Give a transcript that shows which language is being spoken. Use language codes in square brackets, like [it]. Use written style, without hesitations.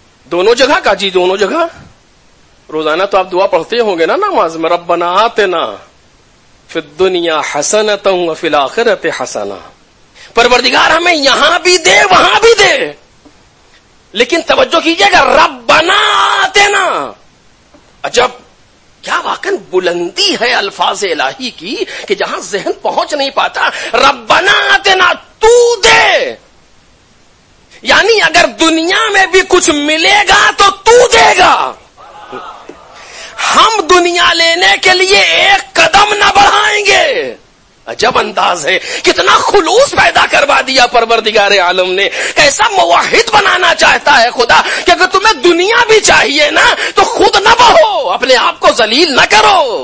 [ur] دونوں جگہ کا جی, دونوں جگہ. روزانہ تو آپ دعا پڑھتے ہوں گے نا نماز میں, [ar] ربنا آتنا فی الدنیا حسنۃ وفی الآخرۃ حسنۃ. [ur] پروردگار ہمیں یہاں بھی دے وہاں بھی دے, لیکن توجہ کیجئے گا [ar] ربنا آتنا. [ur] عجب کیا واقعا بلندی ہے الفاظ الہی کی کہ جہاں ذہن پہنچ نہیں پاتا. [ar] ربنا آتنا [ur] تو دے, یعنی اگر دنیا میں بھی کچھ ملے گا تو تو دے گا. ہم دنیا لینے کے لیے ایک قدم نہ بڑھائیں گے. عجب انداز ہے, کتنا خلوص پیدا کروا دیا پروردگار عالم نے. کیسا موحد بنانا چاہتا ہے خدا کہ اگر تمہیں دنیا بھی چاہیے نا تو خود نہ بہو, اپنے آپ کو ذلیل نہ کرو.